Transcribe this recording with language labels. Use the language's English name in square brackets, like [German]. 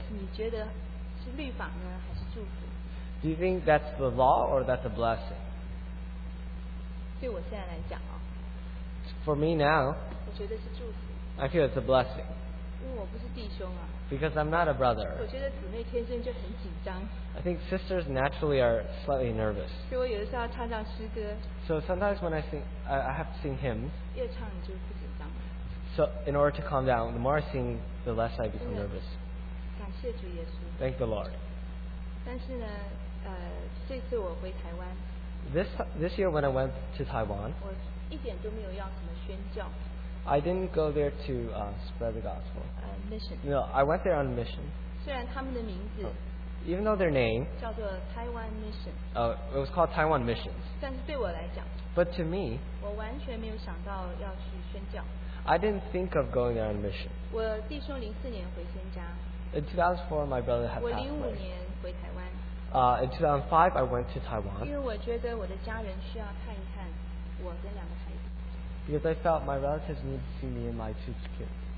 [Chinese] 你觉得是律法呢，还是祝福？ [English] Do you think that's the law or that's a blessing? [Chinese] 对我现在来讲哦。 [English] For me now. [Chinese] 我觉得是祝福。 [English] I feel it's a blessing. [Chinese] 因为我不是弟兄啊。 [English] Because I'm not a brother. [Chinese] 我觉得姊妹天生就很紧张。 [English] I think sisters naturally are slightly nervous. [Chinese] 所以我有的时候要唱唱诗歌。 [English] So sometimes when I sing, I have to sing hymns. [Chinese] 越唱就不紧张。 [English] So in order to calm down, the more I sing, the less I become nervous. [Chinese] 感谢主耶稣。 [English] Thank the Lord. [Chinese] 但是呢，这次我回台湾。 [English] This year when I went to Taiwan. [Chinese] 我一点都没有要什么宣教。 [English] I didn't go there to spread the gospel. Mission. No, I went there on a mission. [Chinese] 虽然他们的名字。 [English] Even though their name. [Chinese] 叫做 Taiwan Mission. [English] It was called Taiwan Missions. [Chinese] 但是对我来讲。 [English] But to me. [Chinese] 我完全没有想到要去宣教。 [English] I didn't think of going there on a mission. [Chinese] 我弟兄零四年回新加。 [English] In 2004, my brother had passed away. [Chinese] 我零五年回台湾。 [English] In 2005, I went to Taiwan. [Chinese] 因为我觉得我的家人需要看一看我跟两个孩子。 [English] Because I felt my relatives need to see me and my two kids.